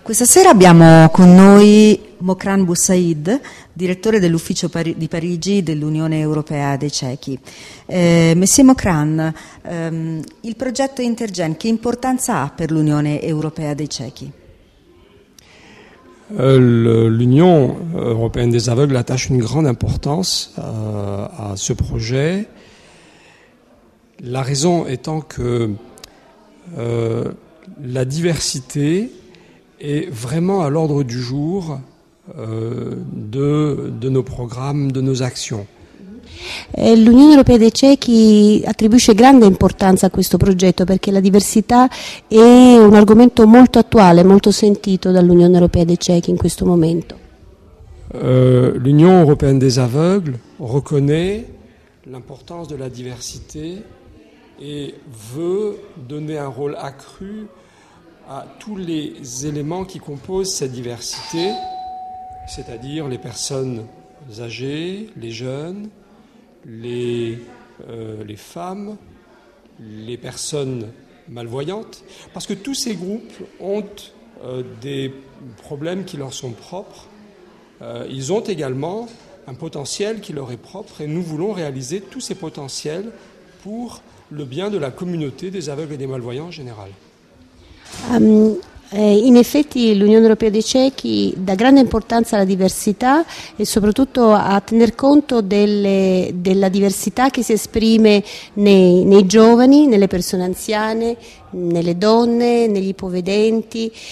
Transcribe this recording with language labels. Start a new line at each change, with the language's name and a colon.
Italian: Questa sera abbiamo con noi Mokran Boussaid, direttore dell'ufficio di Parigi dell'Unione Europea dei Cechi. Monsieur Mokran, il progetto Intergen che importanza ha per l'Unione Europea dei Cechi?
French: L'Union Européenne des Aveugles attache une grande importance à ce projet. La raison étant que la diversité est vraiment à l'ordre du jour de nos programmes, de nos actions.
Italian: L'Unione Europea dei Cechi attribuisce grande importanza a questo progetto perché la diversità è un argomento molto attuale, molto sentito dall'Unione Europea dei Cechi in questo momento.
French: L'Unione Europea des Aveugles reconnaît l'importance de la diversité et veut donner un rôle accru à tous les éléments qui composent cette diversité, c'est-à-dire les personnes âgées, les jeunes, les femmes, les personnes malvoyantes, parce que tous ces groupes ont des problèmes qui leur sont propres. Ils ont également un potentiel qui leur est propre et nous voulons réaliser tous ces potentiels pour le bien de la communauté des aveugles et des malvoyants en général.
Italian: In effetti l'Unione Europea dei Cechi dà grande importanza alla diversità e soprattutto a tener conto della diversità che si esprime nei giovani, nelle persone anziane, nelle donne, negli ipovedenti.